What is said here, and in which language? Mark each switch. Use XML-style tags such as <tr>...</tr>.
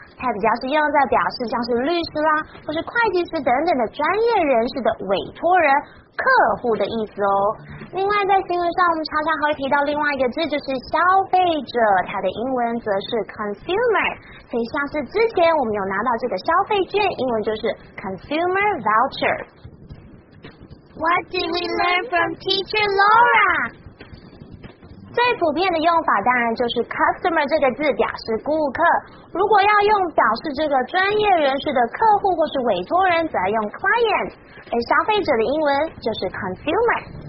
<zh>它比较是用在表示像是律师啦，或是会计师等等的专业人士的委托人、客户的意思哦。另外在新闻上，我们常常会提到另外一个字，就是消费者，它的英文则是 consumer。所以像是之前我们有拿到这个消费券，英文就是 consumer voucher。</zh> <en>What did we learn from Teacher Laura?</en> <zh>最普遍的用法当然就是 customer 这个字表示顾客，如果要用表示这个专业人士的客户或是委托人，则用 client， 而消费者的英文就是 consumer。</zh>